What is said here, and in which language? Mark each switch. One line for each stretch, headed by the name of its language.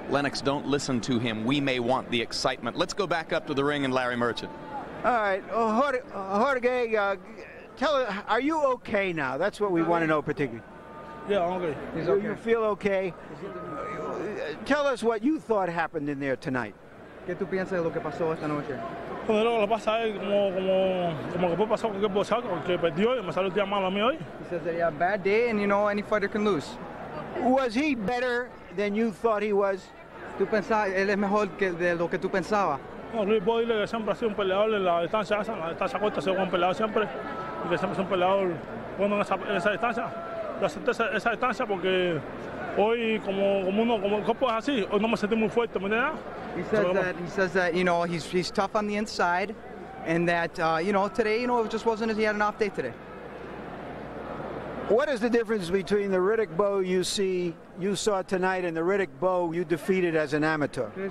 English: Lennox, don't listen to him. We may want the excitement. Let's go back up to the ring and Larry Merchant. All right. Jorge, tell us, are you okay now? That's what we want to know particularly. Yeah, I'm okay. He's okay. Do you feel okay? Tell us what you thought happened in there tonight.
Spanish: ¿Qué tú piensas de lo que pasó esta noche? Pues lo que pasa es como que puede pasar cualquier boxeo, porque perdió y me salió un día malo a mí hoy.
English: He says that he had a bad day and, you know, any fighter can lose. Was he better than you thought he was?
Spanish: ¿Tú pensabas, él es mejor que de lo que tú pensabas? No, Riddick Bowe que siempre ha sido un peleador en la distancia esa, en la distancia corta, se fue un peleador siempre, y que siempre es un peleador bueno en esa distancia. Yo acepté esa distancia porque hoy, como el cuerpo es así, hoy no me sentí muy fuerte, ¿me entiendes?
English: He says that you know, he's tough on the inside, and that, you know, today, you know, it just wasn't as he had an off day today. What is the difference between the Riddick Bowe you saw tonight and the Riddick Bowe you defeated as an amateur?